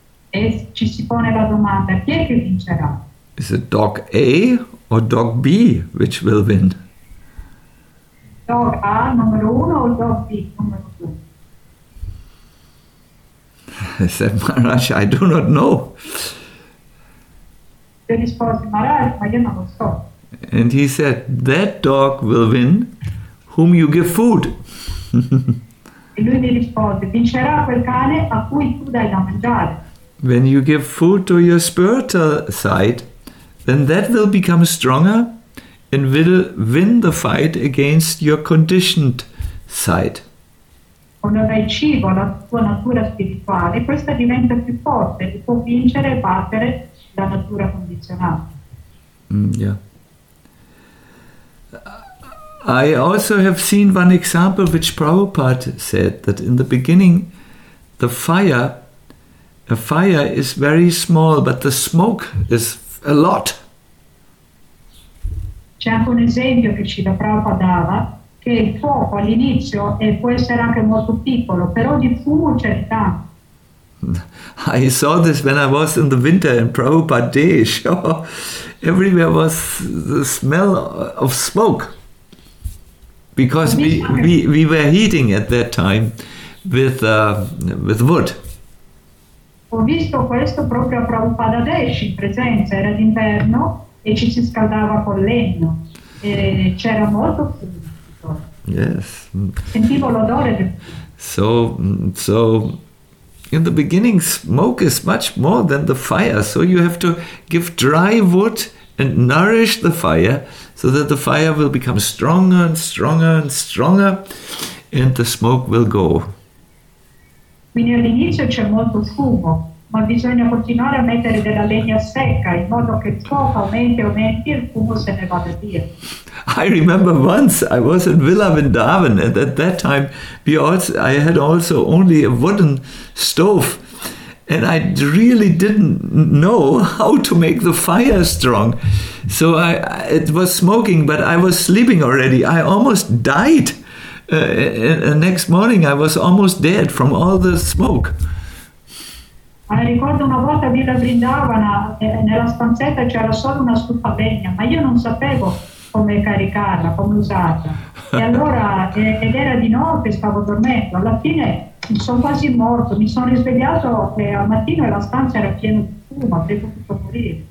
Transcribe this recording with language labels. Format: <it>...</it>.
<it>E ci si pone la domanda, chi è che vincerà?</it> <en>Is it dog A or dog B which will win? Dog A</en> <it>numero uno o</it> <en>dog B</en> <it>numero due?</it> <en>I said, Maharaj, I do not know.</en> <it>E rispose Maharaj, ma io non lo so.</it> <en>And he said, that dog will win whom you give food. When you give food to your spiritual side, then that will become stronger and will win the fight against your conditioned side.</en> <it>o non hai cibo, la tua natura spirituale, questa diventa più forte, ti può vincere e battere la natura condizionata.</it> <en>I also have seen one example which Prabhupada said, that in the beginning the fire, a fire is very small, but the smoke is a lot.</en> <it>C'è anche un esempio che ci da Prabhupada dava, che il fuoco all'inizio e può essere anche molto piccolo, però di fumo c'è tanto.</it> <en>I saw this when I was in the winter in Prabhupada Desh. Everywhere was the smell of smoke. Because we were heating at that time with wood.</en> <it>Ho visto questo proprio a Prabhupada Desh in presenza, era d'inverno e ci si scaldava con legno e c'era molto fumo.</it> <en>Yes.</en> <it>Sentivo l'odore.</it> <en>So in the beginning smoke is much more than the fire, so you have to give dry wood and nourish the fire so that the fire will become stronger and stronger and stronger and the smoke will go.</en> <it>Quindi all'inizio c'è molto fumo, ma bisogna continuare a mettere della legna secca in modo che il fuoco aumenti e il fumo se ne vada via.</it> <en>I remember once I was in Villa Vrindavan, and at that time I had also only a wooden stove, and I really didn't know how to make the fire strong. So it was smoking, but I was sleeping already. I almost died. Next morning I was almost dead from all the smoke.</en> <it>Mi ricordo una volta a Villa Vrindavan, nella stanzetta c'era solo una stufa legna, ma io non sapevo come caricarla, come usarla. E allora, ed era di notte, stavo dormendo. Alla fine sono quasi morto, mi sono risvegliato e al mattino la stanza era piena di fumo, avrei potuto morire.</it>